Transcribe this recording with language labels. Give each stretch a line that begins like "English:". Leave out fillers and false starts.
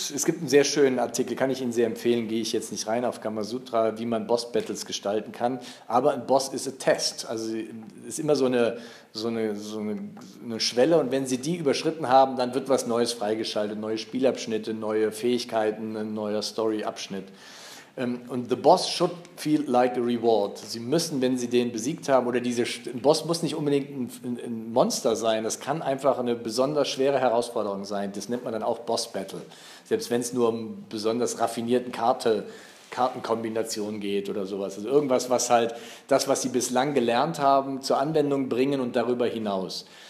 German: Es gibt einen sehr schönen Artikel, kann ich Ihnen sehr empfehlen, gehe ich jetzt nicht rein auf Kamasutra, wie man Boss Battles gestalten kann. Aber ein Boss ist
English: a test.
German: Also ist immer so eine Schwelle und wenn Sie die überschritten haben, dann wird was Neues freigeschaltet, neue Spielabschnitte, neue Fähigkeiten, ein neuer Story-Abschnitt.
English: Und the boss should feel like a reward.
German: Sie müssen, wenn sie den besiegt haben, oder ein Boss muss nicht unbedingt ein Monster sein, das kann einfach eine besonders schwere Herausforderung sein. Das nennt man dann auch Boss Battle. Selbst wenn es nur um besonders raffinierten Kartenkombinationen geht oder sowas. Also irgendwas, was halt das, was sie bislang gelernt haben, zur Anwendung bringen und darüber hinaus.